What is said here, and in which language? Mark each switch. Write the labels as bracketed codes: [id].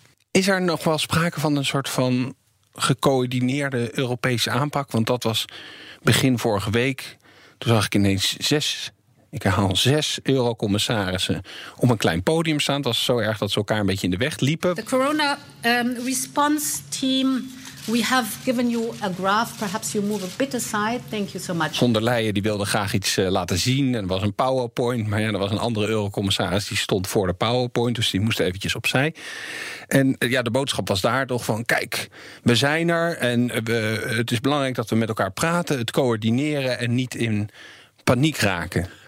[nl] Is er nog wel sprake van een soort van gecoördineerde Europese aanpak? Want dat was begin vorige week. Toen zag ik ineens 6 eurocommissarissen om een klein podium staan. Het was zo erg dat ze elkaar een beetje in de weg liepen. [en] The corona response team, we have given you a graph. Perhaps you move a bit aside. Thank you so much. [nl] Von der Leyen die wilde graag iets laten zien. En er was een PowerPoint. Maar ja, er was een andere eurocommissaris die stond voor de PowerPoint. Dus die moest eventjes opzij. En ja, de boodschap was daar toch van, kijk, we zijn er. En het is belangrijk dat we met elkaar praten. Het coördineren en niet in paniek raken.